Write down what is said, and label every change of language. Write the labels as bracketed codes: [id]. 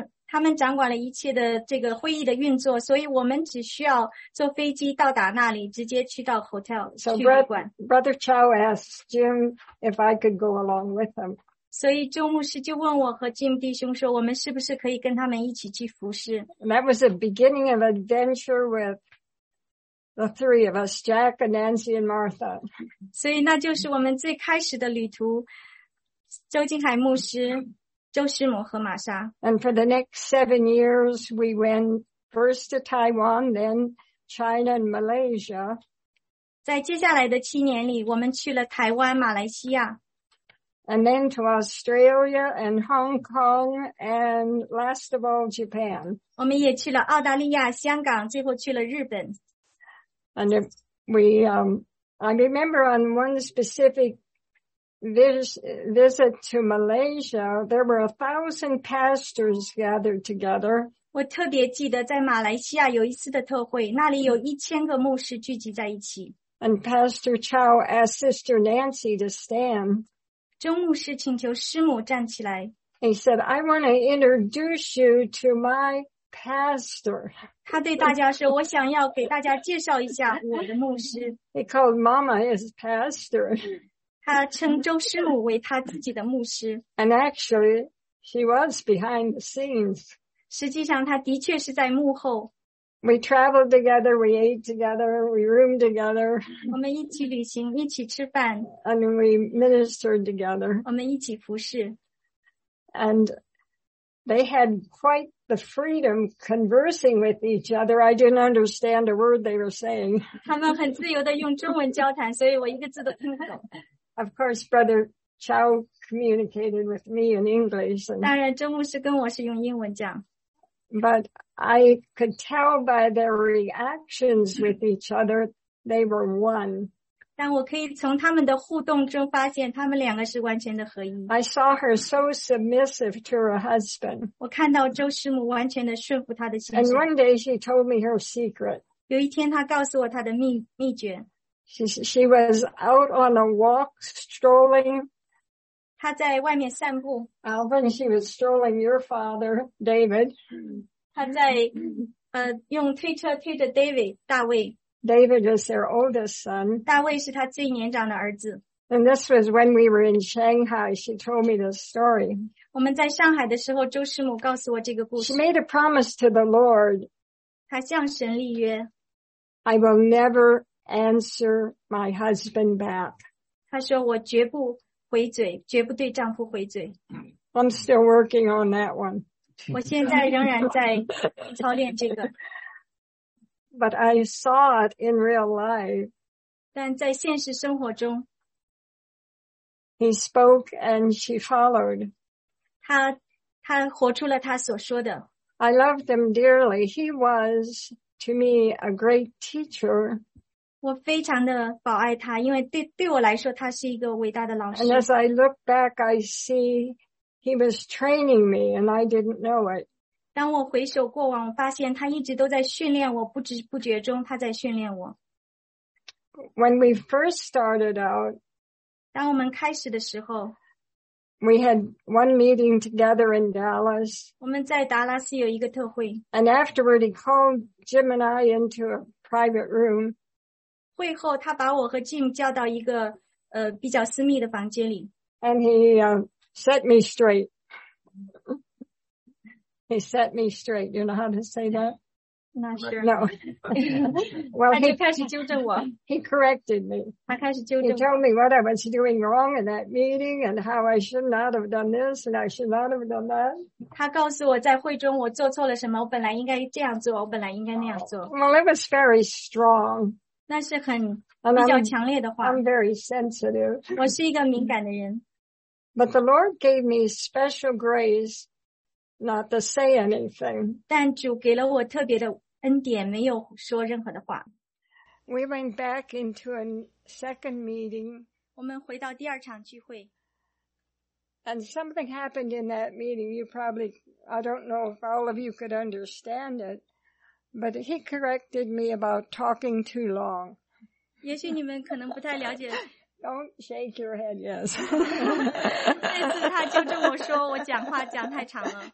[zh] 他们掌管了一切的这个会议的运作，所以我们只需要坐飞机到达那里，直接去到 hotel 去旅馆。 [en] So Brother Chow asked Jim if I could go along with him. [zh] 所以周牧师就问我和 Jim 弟兄说，我们是不是可以跟他们一起去服侍。 [en] And that was the beginning of adventure with the three of us, Jack and Nancy and Martha. [zh] 所以那就是我们最开始的旅途，周金海牧师。周师母和玛莎。 [en] And for the next 7 years, we went first to Taiwan, then China and Malaysia. [zh] 在接下来的七年里，我们去了台湾、马来西亚。 [en] And then to Australia and Hong Kong, and last of all, Japan. [zh] 我们也去了澳大利亚、香港，最后去了日本。 [en] And I remember on one specific visit to Malaysia, there were 1,000 pastors gathered together. [zh] 我特别记得在马来西亚有一次的特会，那里有1000个牧师聚集在一起。 [en] And Pastor Chow asked Sister Nancy to stand. [zh] 周牧师请求师母站起来。 [en] He said, I want to introduce you to my pastor. [zh] 他对大家说，我想要给大家介绍一下我的牧师。 [en] He called Mama his pastor. [zh] 他称周师母为他自己的牧师。 [en] And actually, she was behind the scenes. [zh] 实际上他的确是在幕后。 [en] We traveled together, we ate together, we roomed together. [zh] 我们一起旅行，一起吃饭。 [en] And we ministered together. [zh] 我们一起服侍。 [en] And they had quite the freedom conversing with each other. I didn't understand a word they were saying. [zh] 他们很自由地用中文交谈，所以我一个字都听不懂。 [en] Of course, Brother Chow communicated with me in English. [zh] 当然，周牧师跟我是用英文讲。 [en] But I could tell by their reactions with each other, they were one. [zh] 但我可以从他们的互动中发现，他们两个是完全的合一。 [en] I saw her so submissive to her husband. [zh] 我看到周师母完全的顺服他的心。 [en] And one day she told me her secret. [zh] 有一天，她告诉我她的秘诀。 [en] She was out on a walk, strolling. [zh] 她在外面散步。 [en] Alvin, she was strolling your father, David. [zh] 她在用推车推着 David, 大卫。 [en] David was their oldest son. [zh] 大卫是她最年长的儿子。 [en] And this was when we were in Shanghai. She told me this story. [zh] 我们在上海的时候，周师母告诉我这个故事。 [en] She made a promise to the Lord. [zh] 她向神立约。 [en] I will never answer my husband back. [zh] 她说我绝不回嘴，绝不对丈夫回嘴。 [en] I'm still working on that one. [zh] 我现在仍然在操练这个。 [en] But I saw it in real life. [zh] 但在现实生活中。 [en] He spoke and she followed. [zh] 她活出了她所说的。 [en] I loved him dearly. He was to me a great teacher. [zh] 我非常的保爱他，因为对我来说，他是一个伟大的老师。 [en] And as I look back, I see he was training me, and I didn't know it. [zh] 当我回首过往，我发现他一直都在训练我，不知不觉中他在训练我。 [en] When we first started out, [zh] 当我们开始的时候， [en] we had one meeting together in Dallas. [zh] 我们在达拉斯有一个特会。 [en] And afterward, he called Jim and I into a private room. [zh] 会后他把我和 Jim 叫到一个比较私密的房间里。 [en] And he set me straight. He set me straight. You know how to say that? Not sure. No. Well, [zh] 他就开始纠正我。 [en] He corrected me. [zh] 他开始纠正我。 [en] He told me what I was doing wrong in that meeting and how I should not have done this and I should not have done that. [zh] 他告诉我在会中我做错了什么，我本来应该这样做，我本来应该那样做。 [en] Well, it was very strong. [zh] 那是很比较强烈的话。 [en] I'm very sensitive. [zh] 我是一个敏感的人。 [en] But the Lord gave me special grace not to say anything. [zh] 但主给了我特别的恩典，没有说任何的话。 [en] We went back into a second meeting. [zh] 我们回到第二场聚会。 [en] And something happened in that meeting. I don't know if all of you could understand it. But he corrected me about talking too long. [zh] 也许你们可能不太了解， [en] Don't shake your head, yes. [zh] 这次他纠正我说我讲话讲太长了。